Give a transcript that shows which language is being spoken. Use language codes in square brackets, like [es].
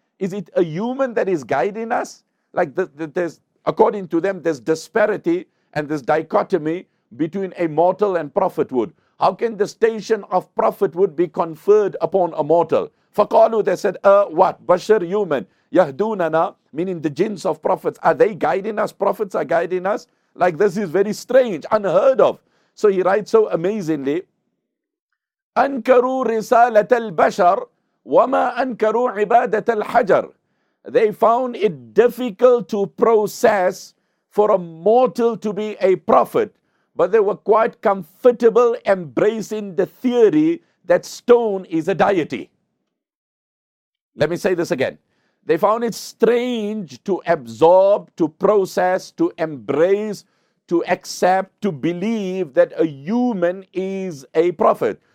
[en] Is it a human that is guiding us? Like, there's, according to them, there's disparity and this dichotomy between a mortal and prophethood. How can the station of prophethood be conferred upon a mortal? فَقَالُوا, they said, what? Bashar, human. يَهْدُونَنَا, meaning the jinns of prophets. Are they guiding us? Prophets are guiding us? Like, this is very strange, unheard of. So he writes so amazingly, [ar] أَنْكَرُوا رِسَالَةَ الْبَشَرِ وَمَا أَنْكَرُوا عِبَادَةَ الْحَجَرِ. [en] They found it difficult to process for a mortal to be a prophet, but they were quite comfortable embracing the theory that stone is a deity. Let me say this again. They found it strange to absorb, to process, to embrace, to accept, to believe that a human is a prophet.